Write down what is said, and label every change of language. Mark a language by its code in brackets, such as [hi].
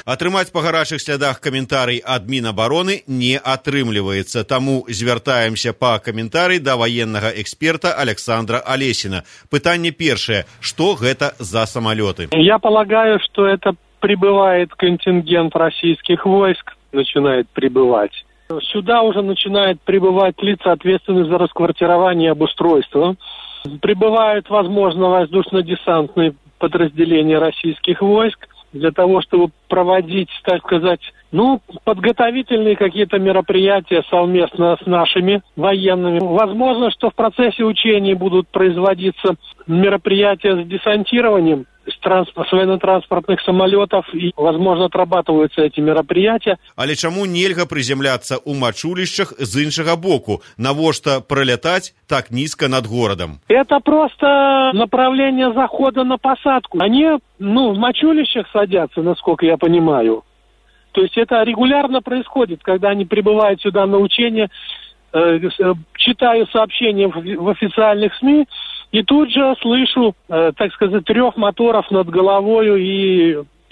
[be] Атрымаць па гарачых слядах каментарый ад Мінабароны не атрымліваецца, таму звяртаемся па каментарый да ваеннага эксперта Аляксандра Алесіна. Пытанне першае: што гэта за самалёты? [ru] Я полагаю, што это прибывает контингент расійскіх войск, начинает прибывать. Сюда уже начинает прибывать лица, ответственные за расквартирование и обустройство. Прибывают, возможно, воздушно-десантные подразделения российских войск для того, чтобы проводить, так сказать, ну, подготовительные какие-то мероприятия совместно с нашими военными. Возможно, что в процессе учений будут производиться мероприятия с десантированием с военно-транспортных самолетов, и, возможно, отрабатываются эти мероприятия. [be] Але чаму нельга приземляться у Мачулішчах з іншага боку? [ru] Навошта пролетать так низко над городом? Это просто направление захода на посадку. Они, ну, в Мачулішчах садятся, насколько я понимаю. То есть это регулярно происходит, когда они прибывают сюда на учения, читаю сообщения в официальных СМИ, и тут же слышу, так сказать, рев моторов над головой и